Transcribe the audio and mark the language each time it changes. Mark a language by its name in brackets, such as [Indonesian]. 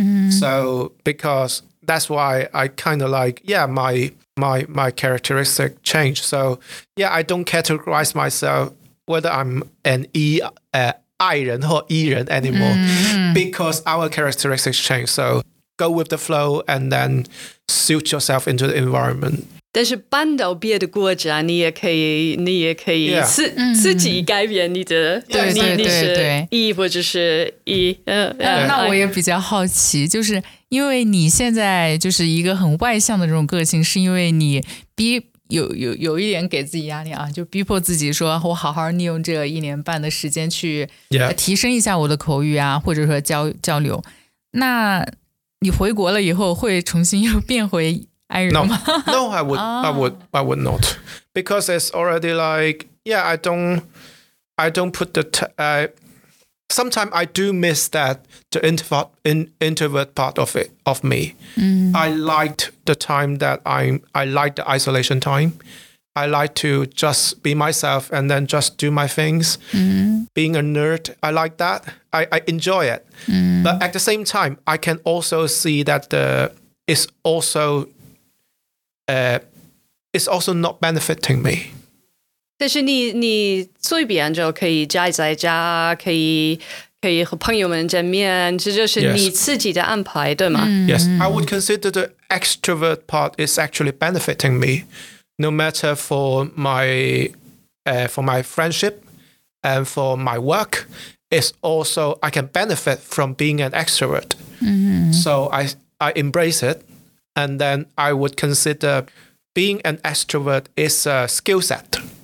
[English] So because that's why I kind of like, yeah, my characteristic changed. So yeah, I don't categorize myself whether I'm an [Chinese] I 人或 E 人 [English] anymore because our characteristics change. So go with the flow and then suit yourself into the environment. [Chinese] 但是搬到别的国家，你也可以 自己改变你的，对对对对，你是 E 或者是 E。那我也比较好奇，就是因为你现在就是一个很外向的这种个性，是因为你有一点给自己压力就逼迫自己说，我好好利用这一年半的时间去提升一下我的口语啊，或者说交流。那你回国了以后，会重新又变回I [English] no, I would, I would, I would not, because it's already like, yeah, I don't put the. Sometimes I do miss that the introvert part of it of me. I liked the time that I liked the isolation time. I like to just be myself and then just do my things. Being a nerd, I like that. I enjoy it. But at the same time, I can also see that it's also. It's also not benefiting me. [Chinese] 但是你随便就可以宅在家，可以和朋友们见面，这就是你自己的安排，对吗？ [English] Yes, I would consider the extrovert part is actually benefiting me, no matter for my friendship and for my work. It's also I can benefit from being an extrovert. So I embrace it. And then I would consider being an extrovert is a skill set.